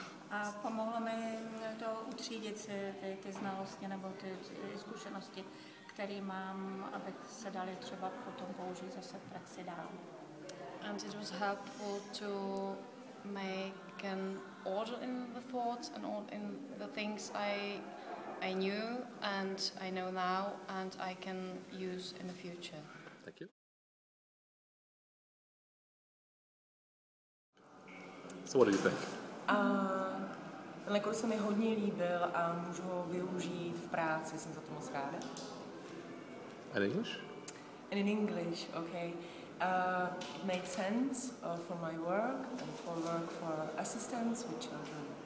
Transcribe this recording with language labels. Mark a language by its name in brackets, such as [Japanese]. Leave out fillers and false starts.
[Czech] A pomohlo mi to utřídit si ty znalosti nebo ty zkušenosti, které mám, abych se dali třeba potom použít zase v praxi dál. [English] And it was helpful to make an order in the thoughts and all in the things I knew and I know now and I can use in the future. Thank you. So what do you think? [Czech] Tenhle kurz se mi hodně líbil a můžu ho využít v práci, jsem za to moc ráda. [English] In English? And in English, okay. It makes sense for my work and for work for assistance with children.